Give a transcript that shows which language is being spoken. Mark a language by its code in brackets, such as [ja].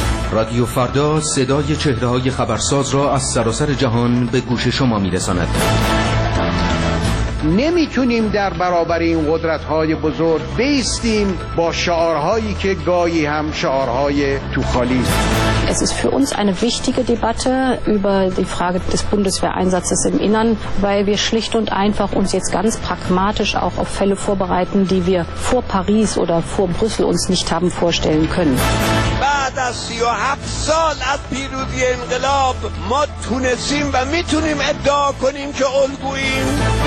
[fa] رادیو فردا صدای چهره‌های خبرساز را از سراسر جهان به گوش شما می‌رساند. نمی‌تونیم در برابر این قدرت‌های بزرگ بایستیم با شعارهایی که گاهی هم شعارهای توخالی است. [de] Es ist für uns eine wichtige Debatte über die Frage des Bundeswehreinsatzes im Innern, weil wir schlicht und einfach uns jetzt ganz pragmatisch auch auf Fälle vorbereiten, die wir vor Paris oder vor Brüssel uns nicht haben vorstellen können. [fa] بعد از 37 سال از پیروزی انقلاب ما تونستیم و میتونیم ادعا کنیم که الگوییم.